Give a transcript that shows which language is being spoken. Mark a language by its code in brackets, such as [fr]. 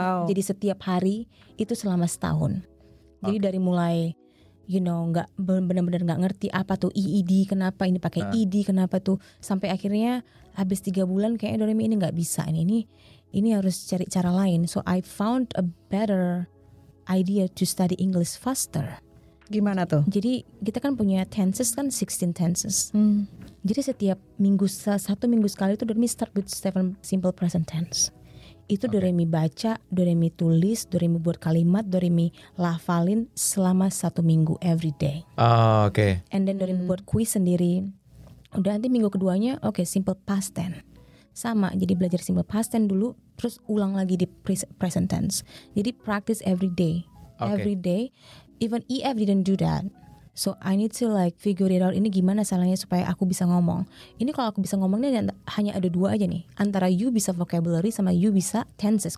[id] Jadi setiap hari itu selama setahun. Jadi dari mulai, [en] you know, [id] nggak benar-benar nggak ngerti apa tuh EED, kenapa ini pakai ED, kenapa tuh, sampai akhirnya habis 3 bulan kayaknya Doremi ini nggak bisa, ini harus cari cara lain. [en] So I found a better idea to study English faster. [id] Gimana tuh? Jadi kita kan punya tenses kan, 16 tenses. Jadi setiap minggu, satu minggu sekali itu Doremi [en] start with [id] 7 simple present tense. Itu Doremi baca, Doremi tulis, Doremi buat kalimat, Doremi lafalin selama satu minggu [en] every day. And then [id] Doremi buat quiz sendiri. Udah nanti minggu keduanya, simple past tense. Sama, jadi belajar simple past tense dulu, terus ulang lagi di present tense. [en] Jadi practice every day. Every day. Even EF didn't do that, so I need to like figure it out. [id] Ini gimana salahnya supaya aku bisa ngomong? Ini kalau aku bisa ngomong, ini hanya ada dua aja nih, antara you bisa vocabulary sama you bisa tenses.